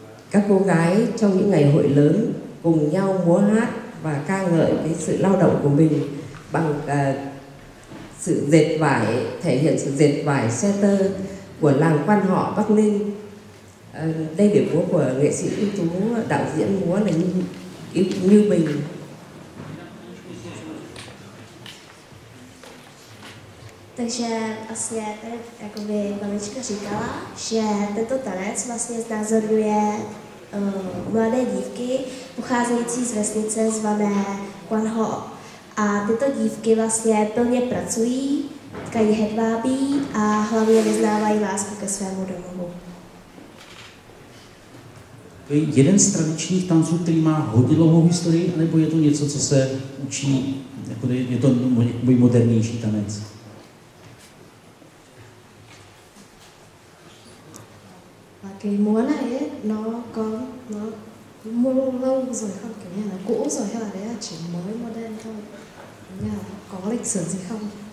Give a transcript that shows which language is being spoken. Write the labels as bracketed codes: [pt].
[vi] Các cô gái trong những ngày hội lớn cùng nhau múa hát và ca ngợi cái sự lao động của mình bằng sự dệt vải, thể hiện sự dệt vải xe tơ của làng quan họ Bắc Ninh. Đây là điệu múa của nghệ sĩ ưu tú đạo diễn múa là Như Bình. [cs] Takže vlastně tady, jako by babička říkala, že tento tanec vlastně znázorňuje mladé dívky pocházející z vesnice zvané Quan Ho. A tyto dívky vlastně plně pracují, tkají hedvábí a hlavně vyznávají lásku ke svému domovu. To je jeden z tradičních tanců, který má hodně dlouhou historii, nebo je to něco, co se učí, jako je to můj modernější tanec? [vi] Cái múa này ấy, nó có nó mua lâu rồi không, kiểu như là cũ rồi hay là đấy là chỉ mới modern thôi, nhà có lịch sử gì không?